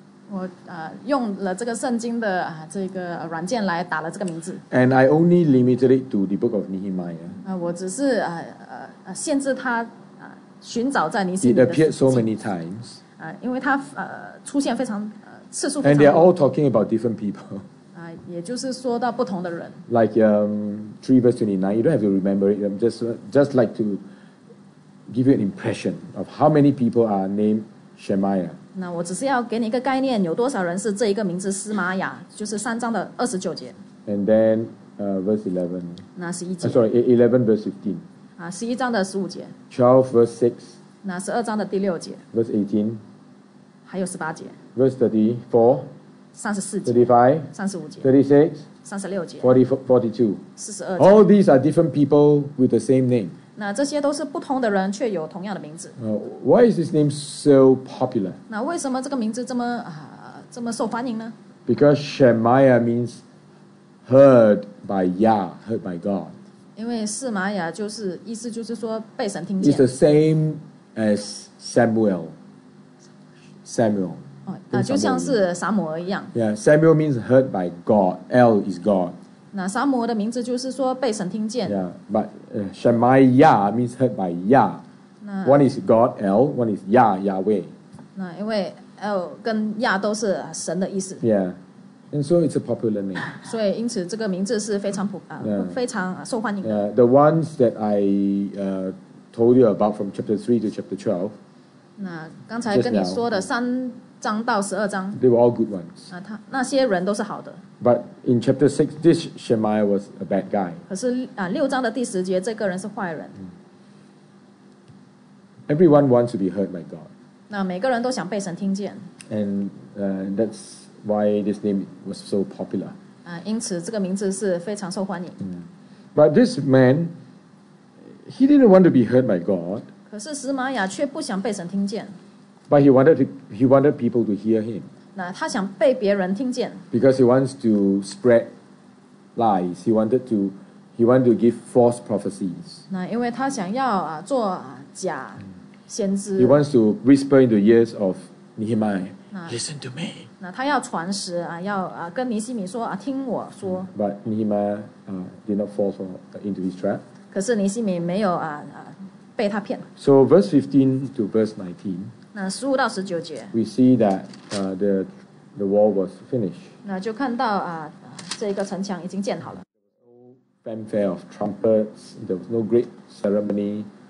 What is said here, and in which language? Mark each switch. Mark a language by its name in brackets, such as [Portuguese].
[Chinese] 我用了这个圣经的这个软件来打了这个名字。 [English] And I only limited it to the book of Nehemiah. [Chinese] 我只是限制它寻找在尼希米的。 [English] It appeared so many times. [Chinese] 因为它出现非常。 [English] And they are all talking about different people. [Chinese] 也就是说到不同的人。 [English] Like 3 verse 29, you don't have to remember it. I'm just like to give you an impression of how many people are named Shemaiah. [Chinese] 那我只是要给你一个概念，有多少人是这一个名字斯玛雅，就是三章的二十九节。 [English] And then verse 11. [Chinese] 那十一节。 [English] Sorry, 11 verse 15. [Chinese] 十一章的十五节。 [English] 12 verse 6. [Chinese] 那十二章的第六节。 [English] Verse 18. [Chinese] 还有十八节。 [English] Verse 34, [Chinese] 34节 [English] 35, [Chinese] 35节 [English] 36, [Chinese] 36节 [English] 42, [Chinese] 42 节 [English] All these are different people with the same name. [Chinese] 那这些都是不同的人却有同样的名字。 [English] Why is this name so popular? [Chinese] 那为什么这个名字这么受欢迎呢? [English] Because Shemaiah means heard by Yah, heard by God. [Chinese] 因为示玛雅就是意思就是说被神听见。 [English] It's the same as Samuel. Samuel. [Chinese] 就像是撒母耳一样。 [English] Yeah, Samuel means heard by God. El is God. [Chinese] 那撒母耳的名字就是说被神听见。 [English] Yeah, but Shemaiah means heard by Yah. One is God, El. One is Yah, Yahweh. [Chinese] 那因为 El 跟 Yah 都是神的意思。 [English] Yeah. And so it's a popular name. [Chinese] 所以因此这个名字是非常普非常受欢迎的。 [English] Yeah, the ones that I told you about from chapter 3 to chapter 12. [Chinese] 那刚才跟你说的三章到十二章。 [English] They were all good ones. [Chinese] 那些人都是好的。 [English] But in chapter 6, this Shemaiah was a bad guy. [Chinese] 可是六章的第十节，这个人是坏人。 [English] Everyone wants to be heard by God. [Chinese] 那每个人都想被神听见。 [English] And that's. Why this name was so popular. [Chinese] 因此这个名字是非常受欢迎。 [English] But this man, he didn't want to be heard by God. [Chinese] 可是司马雅却不想被神听见。 [English] But he wanted people to hear him. [Chinese] 那他想被别人听见。 [English] Because he wants to spread lies. He wanted to give false prophecies. [Chinese] 那因为他想要做假先知。 [English] He wants to whisper in the ears of Nehemiah, listen to me. [Chinese] 那他要传实要跟尼西米说听我说。 [English] But Nehemiah did not fall into his trap. [Chinese] 可是尼西米没有被他骗。 [English] So verse 15 to verse 19. [Chinese] 那十五到十九节。 [English] We see that the wall was finished. [Chinese] 那就看到这个城墙已经建好了。 [English] No fanfare of trumpets. There was no great ceremony.